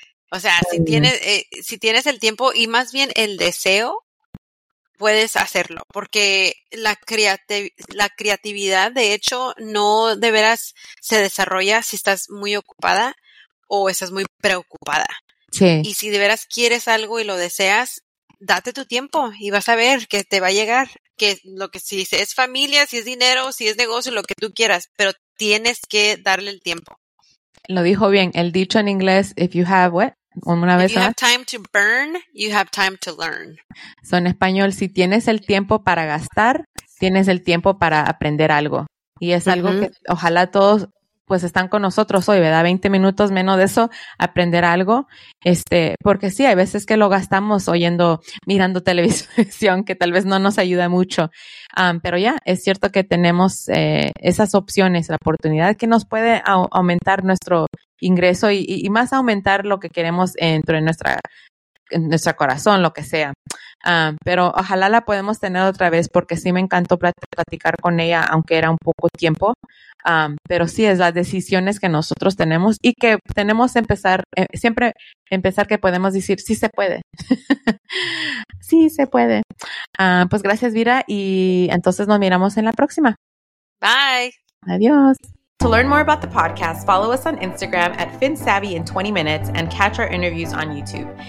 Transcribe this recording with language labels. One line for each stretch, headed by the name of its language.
Spanish: O sea, si tienes el tiempo y más bien el deseo, puedes hacerlo, porque la creatividad, de hecho, no de veras se desarrolla si estás muy ocupada o estás muy preocupada. Sí. Y si de veras quieres algo y lo deseas, date tu tiempo y vas a ver que te va a llegar. Que lo que si es familia, si es dinero, si es negocio, lo que tú quieras, pero tienes que darle el tiempo. Lo dijo bien, el dicho en inglés,
English: if you have what?
Spanish: Una vez
English: if you have time to burn, you have time to learn.
Spanish: So en español, si tienes el tiempo para gastar, tienes el tiempo para aprender algo. Y es algo que ojalá todos, pues están con nosotros hoy, ¿verdad? 20 minutos menos de eso, aprender algo. Porque sí, hay veces que lo gastamos oyendo, mirando televisión, que tal vez no nos ayuda mucho. Pero ya, es cierto que tenemos esas opciones, la oportunidad que nos puede aumentar nuestro ingreso y más aumentar lo que queremos dentro de nuestro corazón, lo que sea. Pero ojalá la podemos tener otra vez porque sí me encantó platicar con ella, aunque era un poco tiempo. Pero sí, es las decisiones que nosotros tenemos y que tenemos siempre empezar que podemos decir, sí se puede. Sí se puede. Pues gracias, Vira, y entonces nos miramos en la próxima. Bye. Adiós.
English: To learn more about the podcast, follow us on Instagram at FinSavvyIn20Minutes and catch our interviews on YouTube.